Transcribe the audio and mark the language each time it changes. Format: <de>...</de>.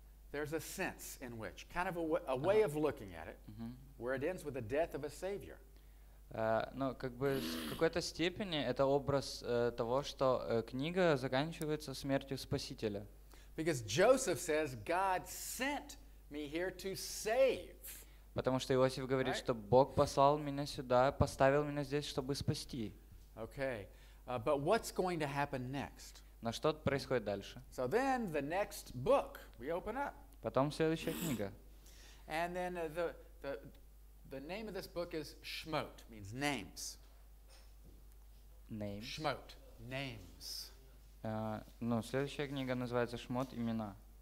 <en>There's a sense in which, kind of a way of looking at it, where it ends with the death of a savior.</en> <ru>Но как бы в какой-то степени это образ того, что книга заканчивается смертью спасителя.</ru> <en>Because Joseph says, God sent me here to save.</en> <ru>Потому что Иосиф говорит, что Бог послал меня сюда, поставил меня здесь, чтобы спасти.</ru> <en>Okay, but what's going to happen next?</en> <ru>Но что происходит дальше?</ru> <en>So then the next book we open up.</en> <ru>Потом следующая книга.</ru> <en>And then the name of this book is Shmot, means names. Names. Shmot, names.</en> <ru>Следующая книга называется Шмот, имена.</ru>